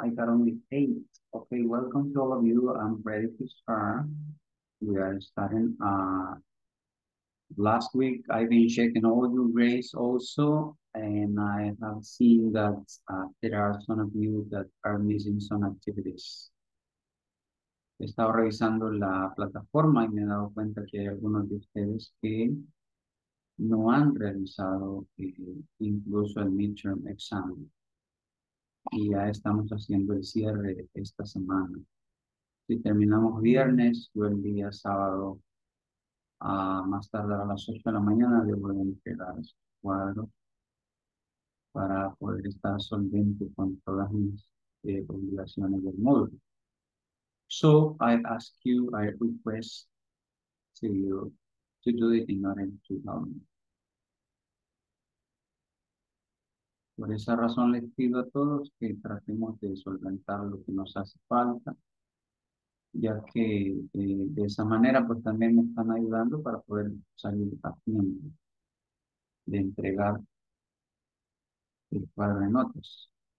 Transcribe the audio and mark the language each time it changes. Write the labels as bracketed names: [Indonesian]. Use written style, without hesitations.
[English] I got only 8. Okay, welcome to all of you. I'm ready to start. We are starting. Last week, I've been checking all your grades also, and I have seen that there are some of you that are missing some activities. [Spanish] He estado revisando la plataforma y me he dado cuenta que hay algunos de ustedes que no han realizado incluso el midterm exam. Y ya estamos haciendo el cierre esta semana. Si terminamos viernes, yo el día sábado, más tarde a las 8 de la mañana, debo de entregar ese cuadro para poder estar solvente con todas mis obligaciones del módulo. [English] So I ask you, I request to you to do it in order to help me. [Spanish] Por esa razón les pido a todos que tratemos de solventar lo que nos hace falta, ya que de esa manera pues también me están ayudando para poder salir a tiempo. de entregar el cuadro de notas.